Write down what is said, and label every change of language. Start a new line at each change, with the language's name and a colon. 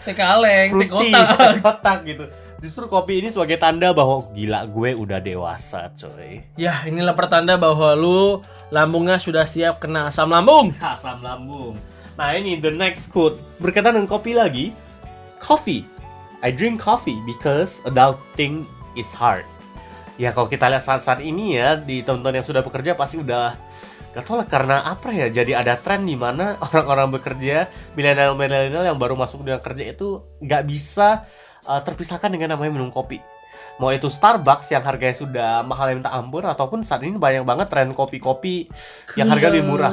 Indonesian: Teh kaleng, fruity, teh kotak gitu. Justru kopi ini sebagai tanda bahwa gila gue udah dewasa, coy. Yah, inilah pertanda bahwa lu lambungnya sudah siap kena asam lambung. Asam lambung. Nah, ini
English: the next quote
Indonesian: berkaitan dengan kopi lagi.
English: Coffee. I drink coffee because adulting is hard.
Indonesian: Ya, kalau kita lihat saat-saat ini ya, di teman-teman yang sudah bekerja pasti udah gak tau lah karena apa ya, jadi ada tren di mana orang-orang bekerja, milenial-milenial yang baru masuk dunia kerja itu gak bisa terpisahkan dengan namanya minum kopi. Mau itu Starbucks yang harganya sudah mahal yang minta ampun, ataupun saat ini banyak banget tren kopi-kopi kulo, yang harga lebih murah.